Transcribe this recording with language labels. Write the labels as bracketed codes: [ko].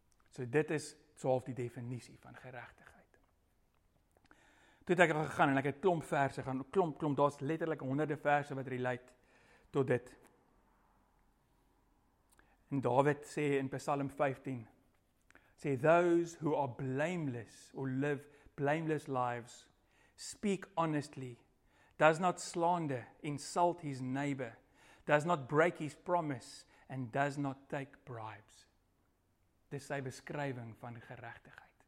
[af] So dit is soof die definisie van geregtigheid. Toe het ek gegaan en ek het klomp verse gaan, klomp, daar's letterlik honderde verse wat relate tot dit. En David sê in Psalm 15, sê, [en] those who are blameless or live blameless lives, speak honestly, does not slander, insult his neighbor, does not break his promise, and does not take bribes. [af] Dis sy beskrywing van geregtigheid.